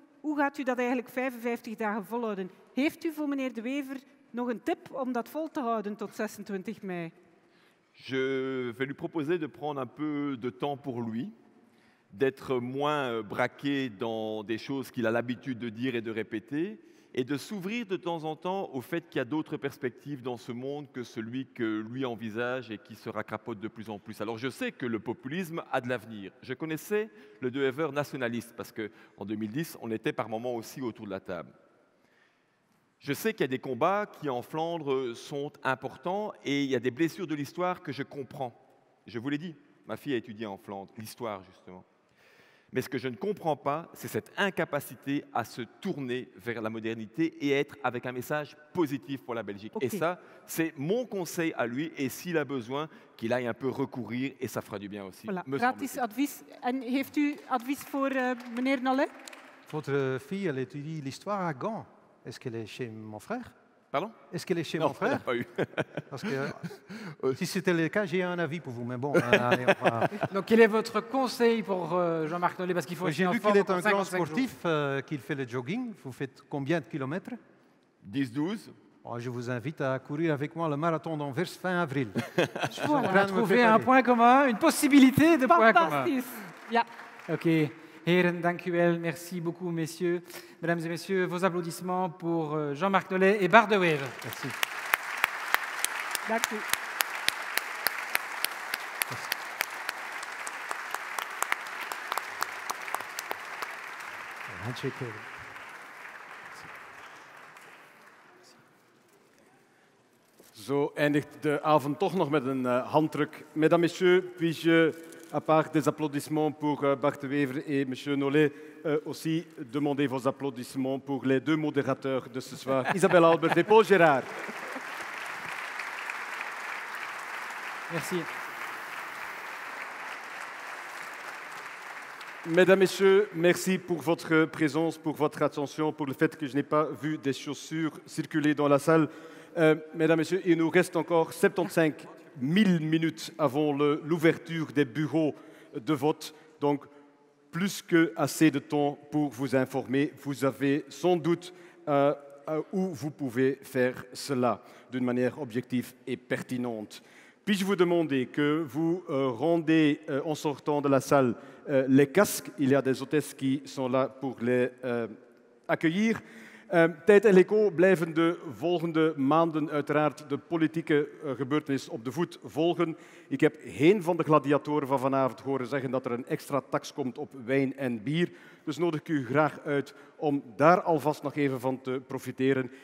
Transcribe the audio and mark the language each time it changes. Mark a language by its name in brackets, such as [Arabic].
[Dutch] Hoe gaat u dat eigenlijk 55 dagen volhouden? Heeft u voor meneer De Wever nog een tip om dat vol te houden tot 26 mei? [French] Je vais lui proposer de prendre un peu de temps pour lui. D'être moins braqué dans des choses qu'il a l'habitude de dire et de répéter, et de s'ouvrir de temps en temps au fait qu'il y a d'autres perspectives dans ce monde que celui que lui envisage et qui se racrapote de plus en plus. Alors je sais que le populisme a de l'avenir. Je connaissais le De Wever nationaliste, parce qu'en 2010, on était par moments aussi autour de la table. Je sais qu'il y a des combats qui, en Flandre, sont importants, et il y a des blessures de l'histoire que je comprends. Je vous l'ai dit. Ma fille a étudié en Flandre, l'histoire, justement. Mais ce que je ne comprends pas, c'est cette incapacité à se tourner vers la modernité et être avec un message positif pour la Belgique. Okay. Et ça, c'est mon conseil à lui. Et s'il a besoin, qu'il aille un peu recourir. Et ça fera du bien aussi, [Dutch] voilà. Me gratis advies. En heeft u advies pour meneer Nollet? [French] Votre fille, elle étudie l'histoire à Gand. Est-ce qu'elle est chez mon frère? Pardon? Est-ce qu'elle est chez non, mon frère? Non, elle n'a pas eu. Parce que, si c'était le cas, j'ai un avis pour vous. Mais bon. Donc, quel est votre conseil pour Jean-Marc Nollet? Parce qu'il faut. J'ai vu qu'il est un grand sportif, qu'il fait le jogging. Vous faites combien de kilomètres? 10-12. Oh, je vous invite à courir avec moi le marathon d'Anvers fin avril. Je vois, on a trouvé un point commun, une possibilité de point commun. Fantastique. Yeah. OK. [Dutch] Heren, dank u wel. [French] Merci beaucoup, messieurs. Mesdames et messieurs, vos applaudissements pour Jean-Marc Nollet et Bart De Wever. Merci. [Dutch] Dank u. Zo eindigt de avond toch nog met een handdruk. [French] Mesdames, messieurs, puis-je, à part des applaudissements pour Bart De Wever et Monsieur Nollet, aussi demander vos applaudissements pour les deux modérateurs de ce soir, Isabelle Albert et Paul Gérard. Merci. Mesdames, messieurs, merci pour votre présence, pour votre attention, pour le fait que je n'ai pas vu des chaussures circuler dans la salle. Mesdames, messieurs, il nous reste encore 75 000 minutes avant l'ouverture des bureaux de vote. Donc, plus que assez de temps pour vous informer. Vous avez sans doute où vous pouvez faire cela d'une manière objective et pertinente. Puis-je vous demander que vous rendez en sortant de la salle les casques. Il y a des hôtesses qui sont là pour les accueillir. [Dutch] Tijd en Echo blijven de volgende maanden uiteraard de politieke gebeurtenis op de voet volgen. Ik heb geen van de gladiatoren van vanavond horen zeggen dat er een extra tax komt op wijn en bier. Dus nodig ik u graag uit om daar alvast nog even van te profiteren.